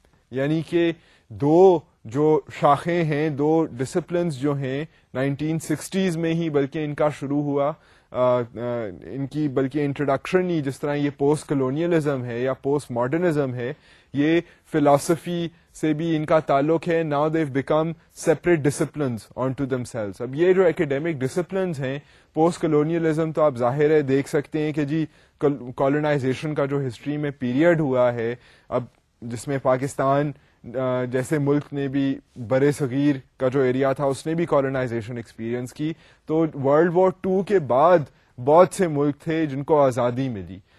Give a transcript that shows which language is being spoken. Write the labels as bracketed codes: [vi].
[ur] یعنی کہ دو جو شاخیں ہیں, دو ڈسپلنز جو ہیں 1960s میں ہی بلکہ ان کا شروع ہوا, ان کی بلکہ انٹروڈکشن ہی جس طرح یہ پوسٹ کلونیلزم ہے یا پوسٹ ماڈرنزم ہے, یہ فلاسفی سے بھی ان کا تعلق ہے. [en] Now they become separate disciplines on to themselves. [ur] اب یہ جو اکیڈیمک ڈسپلنز ہیں پوسٹ کلونیلزم, تو آپ ظاہر ہے دیکھ سکتے ہیں کہ جی کالونائزیشن کا جو ہسٹری میں پیریڈ ہوا ہے, اب جس میں پاکستان جیسے ملک نے بھی برے صغیر کا جو ایریا تھا اس نے بھی کالونائزیشن ایکسپیرینس کی, تو ورلڈ وار ٹو کے بعد بہت سے ملک تھے جن کو آزادی ملی.